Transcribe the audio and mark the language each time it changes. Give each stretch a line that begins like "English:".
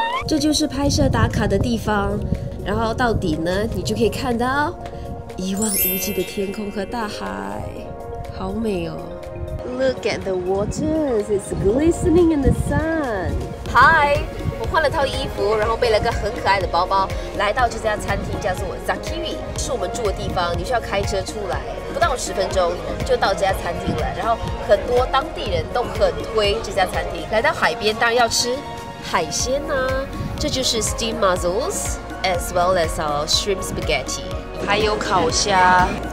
Chinese: 这就是拍摄打卡的地方，然后到底呢，你就可以看到一望无际的天空和大海，好美哦。
English: Look at the waters, it's glistening in the sun.
Chinese: Hi, 我换了套衣服，然后背了个很可爱的包包，来到这家餐厅，叫做 Zakiri， 是我们住的地方。你需要开车出来，不到十分钟就到这家餐厅了。然后很多当地人都很推这家餐厅。来到海边，当然要吃海鲜啊，这就是
English: steam mussels as well as our shrimp spaghetti，
Chinese: 还有烤虾。